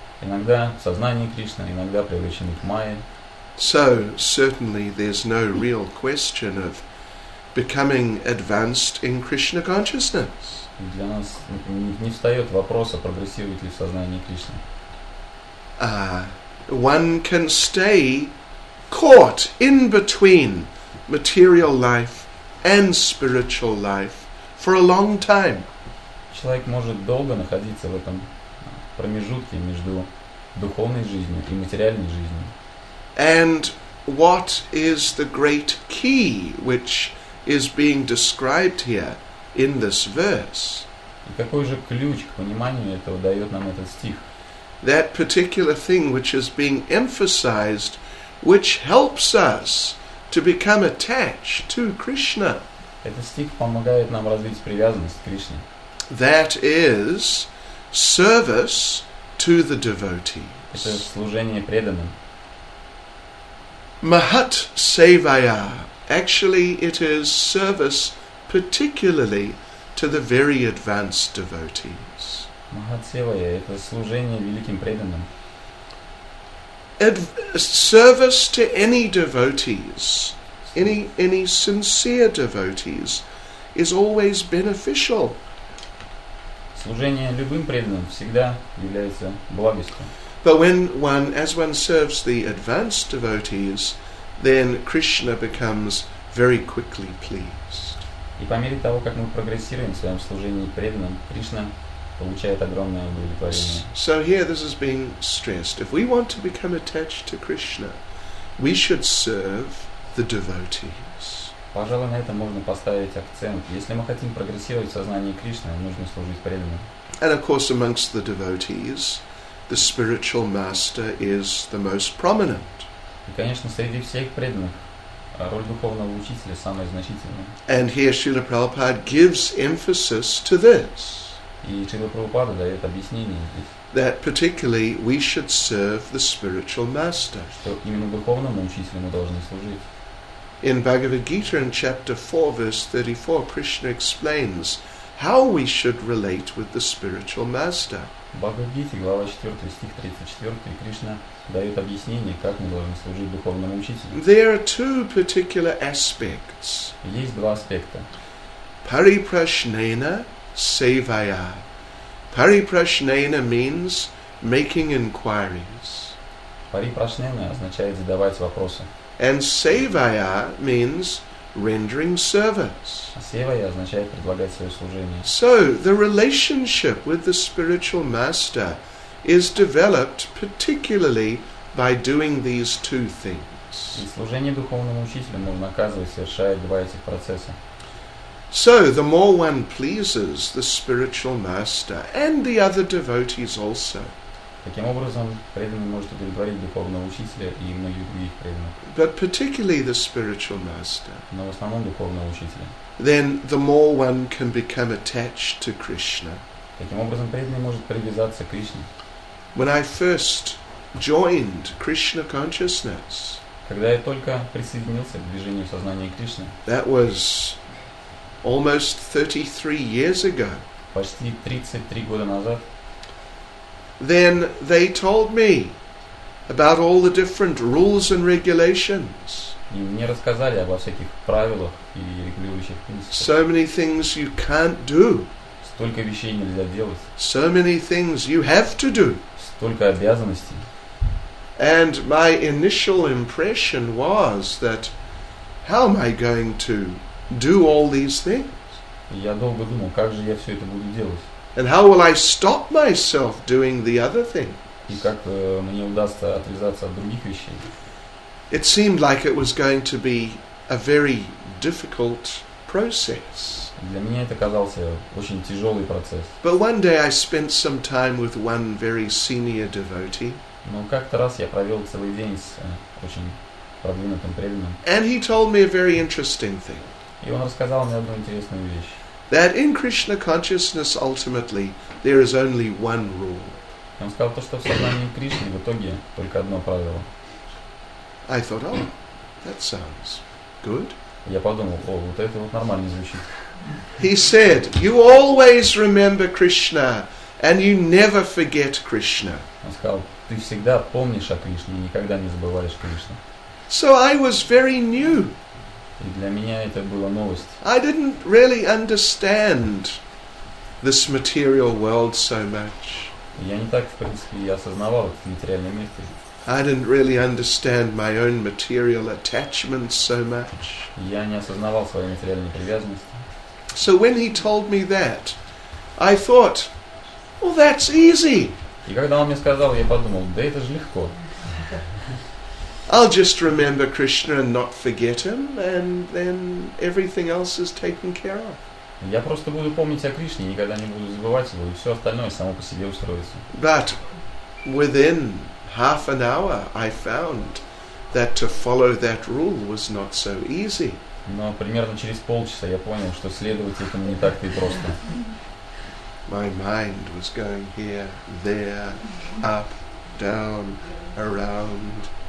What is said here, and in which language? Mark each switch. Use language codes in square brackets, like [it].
[ru] Иногда в сознании Кришны, иногда привлечены к Майе. [en] So, certainly, there's no real question of becoming advanced in Krishna consciousness. [ru] Для нас не встает вопрос, а прогрессирует ли в сознании Кришны. [en] One can stay caught in between material life and spiritual life for a long time. [ru] Человек может долго находиться в этом промежутке между духовной жизнью и материальной жизнью. [en] And what is the great key which is being described here in this verse? [ru] И какой же ключ к пониманию этого дает нам этот стих? [en] That particular thing which is being emphasized, which helps us to become attached to Krishna. [ru] Этот стих помогает нам развить привязанность к Кришне. [en] That is service to the devotees. [ru] Это служение преданным. [en] Mahat Sevaya. Actually, it is service particularly to the very advanced devotees. [ru] Mahat Sevaya, это служение великим преданным. [en] Service to any devotees, any sincere devotees, is always beneficial. [ru] Служение любым преданным всегда является благостью. [en] But when one, as one serves the advanced devotees, then Krishna becomes very quickly pleased. [ru] И по мере того, как мы прогрессируем в своем служении преданным, Кришна получает огромное удовлетворение. [en] So here this is being stressed. If we want to become attached to Krishna, we should serve the devotees. [ru] Пожалуй, на этом можно поставить акцент. Если мы хотим прогрессировать в сознании Кришны, нужно служить преданным. [en] And of course, amongst the devotees, the spiritual master is the most prominent. [ru] И, конечно, среди всех преданных роль духовного учителя самая значительная. [en] And here Srila Prabhupada gives emphasis to this. [ru] И Шрила Прабхупада дает объяснение здесь. [en] That particularly we should serve the spiritual master. [ru] Что именно духовному учителю мы должны служить. [en] In Bhagavad Gita, in chapter 4, verse 34, Krishna explains how we should relate with the spiritual master. [ru] Bhagavad Gita, глава 4, стих 34, Кришна дает объяснение, как мы должны служить духовному учителю. [en] There are two particular aspects. [ru] Есть два аспекта. [sa] Parīprasṇena sevaya. [en] Parīprasṇena means making inquiries. [ru] Parīprasṇena означает задавать вопросы. [en] And sevaya means rendering service. [ru] Sevaya означает предлагать свое служение. [en] So the relationship with the spiritual master is developed particularly by doing these two things. [ru] И служение духовному учителю можно оказывать, совершая два этих процесса. [en] So the more one pleases the spiritual master and the other devotees also. [ru] Таким образом, преданный может удовлетворить духовного учителя и многих других преданных. [en] But particularly the spiritual master. [ru] Но в основном духовного учителя. [en] Then the more one can become attached to Krishna. [ru] Таким образом, преданный может привязаться к Кришне. [en] When I first joined Krishna consciousness. [ru] Когда я только присоединился к движению сознания Кришны. [en] That was almost 33 years ago. [ru] Почти 33 года назад. [en] Then they told me about all the different rules and regulations. [ru] И мне рассказали обо всяких правилах и регулирующих принципах. [en] So many things you can't do. [ru] Столько вещей нельзя делать. [en] So many things you have to do. [ru] Столько обязанностей. [en] And my initial impression was that how am I going to do all these things? [ru] Я долго думал, как же я все это буду делать? [en] And how will I stop myself doing the other thing? [ru] И как мне удастся отвязаться от других вещей? [en] It seemed like it was going to be a very difficult process. [ru] Для меня это казался очень тяжелый процесс. [en] But one day I spent some time with one very senior devotee. [ru] Но как-то раз я провел целый день с очень продвинутым преданным. [en] And he told me a very interesting thing. [ru] И он рассказал мне одну интересную вещь. [en] That in Krishna consciousness, ultimately, there is only one rule. [ru] Он сказал то, что в сознании Кришны в итоге только одно правило. [en] I thought, oh, that sounds good. [ru] Я подумал, о, вот это вот нормально звучит. [en] He said, you always remember Krishna, and you never forget Krishna. [ru] Он сказал, ты всегда помнишь о Кришне и никогда не забываешь Кришну. [en] So I was very new. [ru] И для меня это была новость. [en] I didn't really understand this material world so much. [ru] Я не так, в принципе, я осознавал этот материальный мир. [en] I didn't really understand my own material attachments so much. [ru] Я не осознавал свои материальные привязанности. [en] So when he told me that, I thought, well, that's easy. [ru] И когда он мне сказал, я подумал, да это же легко. [en] I'll just remember Krishna and not forget him, and then everything else is taken care of. [ru] Я просто буду помнить о Кришне, никогда не буду забывать его, и все остальное само по себе устроится. [en] But within half an hour, I found that to follow that rule was not so easy. [ru] Но примерно через полчаса я понял, что следовать этому не так-то и просто. [en] My mind was going here, there, up, down, around.